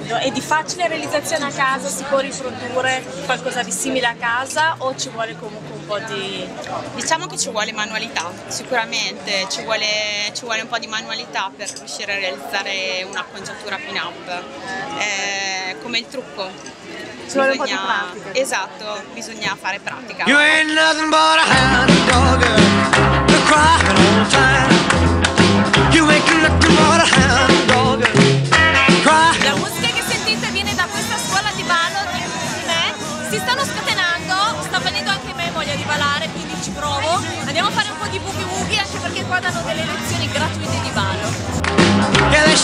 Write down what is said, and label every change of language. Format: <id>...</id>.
<it>È di facile realizzazione a casa? Si può riprodurre qualcosa di simile a casa o ci vuole comunque un po' di... Diciamo che ci vuole manualità, sicuramente. Ci vuole un po' di manualità per riuscire a realizzare un'acconciatura pin-up. È come il trucco. Ci vuole un po' di pratica. Esatto, bisogna fare pratica.</it> <en>You ain't nothing but a hand dog, you're crying all the time.</en> <it>La musica che sentite viene da questa scuola di ballo di me. Si stanno scatenando, sta venendo anche me voglia di ballare, quindi ci provo. Andiamo a fare un po' di boogie woogie, anche perché qua danno delle lezioni gratuite di ballo.</it>